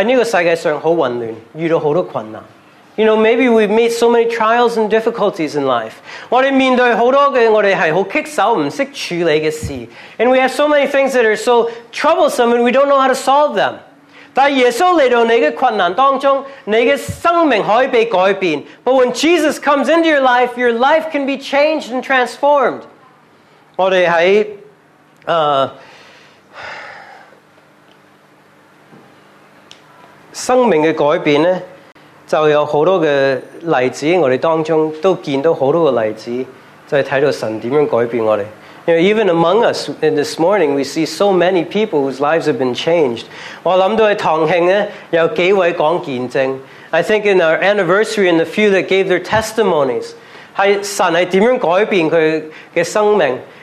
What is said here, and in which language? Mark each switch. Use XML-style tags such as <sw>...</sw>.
<zh>因为可能在这个世界上很混乱,遇到很多困难。</zh> <en>You know, maybe we meet so many trials and difficulties in life.</en> <zh>我们面对很多的,我们是很棘手,不懂处理的事。</zh> <en>And we have so many things that are so troublesome and we don't know how to solve them.</en> <zh>但耶稣来到你的困难当中,你的生命可以被改变,</zh> <en>but when Jesus comes into your life can be changed and transformed.</en> <zh>我们在生命的改变,就有很多的例子,我们当中都见到很多的例子,就看到神怎样改变我们。</zh> <en>You know, even among us in this morning, we see so many people whose lives have been changed.</en> <zh>我想到在堂庆,有几位讲见证。</zh> <en>I think in our anniversary, in the few that gave their testimonies,</en> <zh>神是怎样改变他的生命。</zh>